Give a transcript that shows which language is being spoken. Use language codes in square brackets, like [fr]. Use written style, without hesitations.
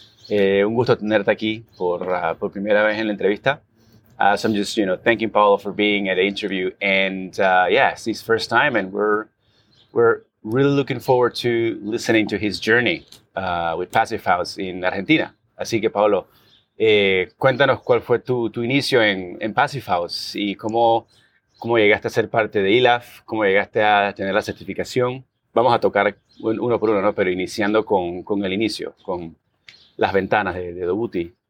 [es] Un gusto tenerte aquí por primera vez en la entrevista. [en] So I'm just, you know, thanking Paolo for being at the interview. And yeah, it's his first time and we're really looking forward to listening to his journey with Passive House in Argentina. [es] Así que, Paolo, cuéntanos cuál fue tu inicio en Passive House y cómo llegaste a ser parte de ILAF, cómo llegaste a tener la certificación. Vamos a tocar uno por uno, ¿no? Pero iniciando con el inicio, con las ventanas de Dobuti.